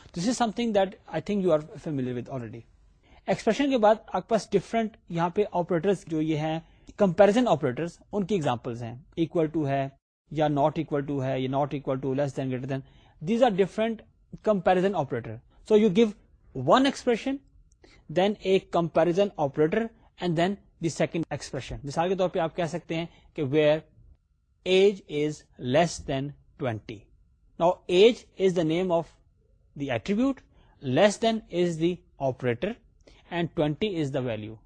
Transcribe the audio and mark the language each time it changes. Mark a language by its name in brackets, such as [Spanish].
[English] This is something that I think you are familiar with already. [Urdu] Expression کے بعد آپ کے پاس different یہاں پہ آپریٹرز جو یہ ہیں کمپیرزن آپریٹرز, ان کی ایگزامپلس ہیں, اکول ٹو ہے یا ناٹ اکول ٹو ہے یا not equal to, [English] Less than greater than, these are different comparison operator. So you give one expression then a comparison operator and then the second expression. [Urdu] مثال کے طور پہ آپ کہہ سکتے ہیں کہ [English] Where age is less than 20. Now age is the name of the attribute, less than is the operator, and 20 is the value.